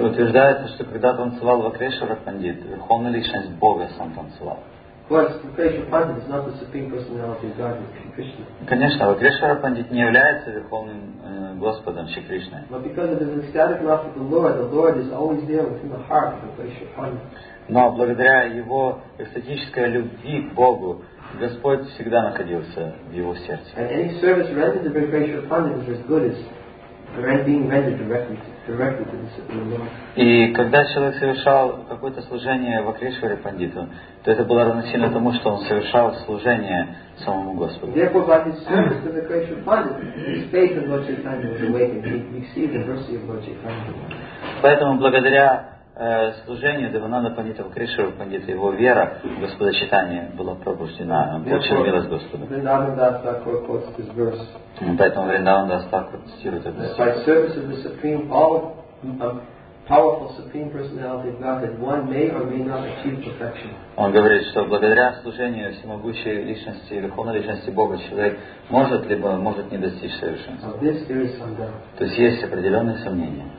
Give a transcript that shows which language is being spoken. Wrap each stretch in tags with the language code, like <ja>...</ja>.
<ru>Утверждается, что когда танцевал Вакрешвара Пандит, верховная личность Бога сам танцевал. Конечно, Вакрешвара Пандит не является верховным Господом Шри Кришны.</ru> <en>But because of his ecstatic love for the Lord is always there within the heart of Vakrešvara Pandit.</en> <ru>Но благодаря его эстетической любви к Богу, Господь всегда находился в его сердце.</ru> <en>And any service rendered to Vakrešvara Pandit was as good as being rendered directly to the Supreme Lord.</en> <ru>И когда человек совершал какое-то служение Вакрешваре Пандиту, то это было равносильно тому, что он совершал служение самому Господу.</ru> <en>Therefore, by his service to Vakrešvara Pandit, his faith in Lord Chaitanya was awakened. He received the mercy of Lord Chaitanya.</en> <ru>Поэтому благодаря служению Девананда Пандита, Вакрешвара Пандита, его вера в Господа Чайтанью была пробуждена. Он получил милость Господа. Поэтому Вриндаван Дас Тхакур цитирует этот стих.</ru> <en>By service of the supreme, all powerful supreme personality of Godhead, one may or may not achieve perfection.</en> <ru>Он говорит, что благодаря служению всемогущей личности, верховной личности Бога, человек может либо может не достичь совершенства.</ru> <en>Of this there is some doubt.</en> <ru>То есть есть определенные сомнения.</ru>